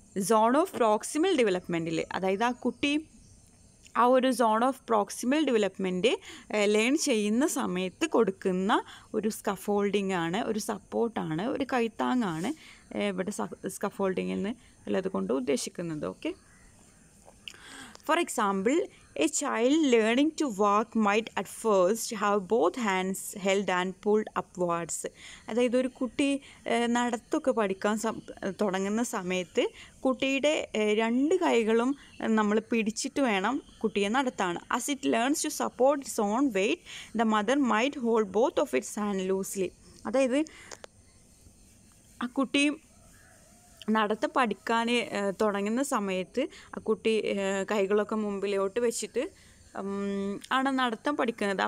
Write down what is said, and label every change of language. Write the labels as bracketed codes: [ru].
[ml] Zone of proximal ഡെവലപ്മെൻറ്റിൽ, അതായത് ആ കുട്ടി ആ ഒരു zone of proximal development learn ചെയ്യുന്ന സമയത്ത് കൊടുക്കുന്ന ഒരു സ്കഫോൾഡിംഗ് ആണ്, ഒരു സപ്പോർട്ടാണ്, ഒരു കൈത്താങ്ങാണ് ഇവിടെ സ്കഫോൾഡിംഗ് എന്ന് ഉള്ളത് കൊണ്ട് ഉദ്ദേശിക്കുന്നത്. Okay, [en] For example, a child learning to walk might at first have both hands held and pulled upwards. [ml] അതായത് ഒരു കുട്ടി നടത്തൊക്കെ പഠിക്കാൻ തുടങ്ങുന്ന സമയത്ത് കുട്ടിയുടെ രണ്ട് കൈകളും നമ്മൾ പിടിച്ചിട്ട് വേണം കുട്ടിയെ നടത്താൻ. [en] As it learns to support its own weight, the mother might hold both of its hands loosely. [ml] അതായത് ആ കുട്ടി നടത്ത പഠിക്കാൻ തുടങ്ങുന്ന സമയത്ത് ആ കുട്ടി കൈകളൊക്കെ മുമ്പിലോട്ട് വെച്ചിട്ട് ആണ് നടത്തം പഠിക്കുന്നത്.